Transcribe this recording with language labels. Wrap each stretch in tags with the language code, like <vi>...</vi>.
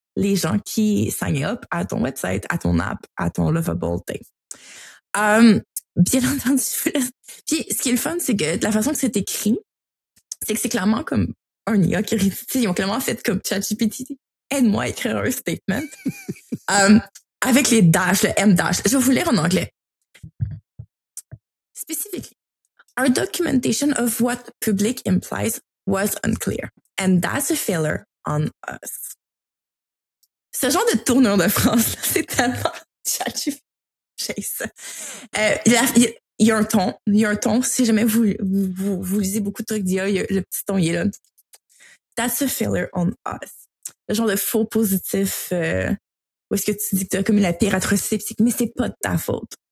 <fr>les gens qui signent up à ton website, à ton app, à ton Lovable Day. Bien entendu. Puis, ce qui est le fun, c'est que de la façon que c'est écrit, c'est que c'est clairement comme un IA qui réussit. Ils ont clairement fait comme ChatGPT, aide-moi à écrire un statement. avec les dash, le M dash. Je vais vous lire en anglais.</fr> <en>Specifically, our documentation of what public implies was unclear. And that's a failure on us.</en> <fr>Ce genre de tournure de France, c'est tellement ChatGPT. Il y a un ton. Si jamais vous lisez beaucoup de trucs d'IA, le petit ton, il est là.</fr> <en>That's a failure on us.</en> <fr>Le genre de faux positif où est-ce que tu dis que tu as commis la pire atrocité, mais c'est pas de ta faute.</fr>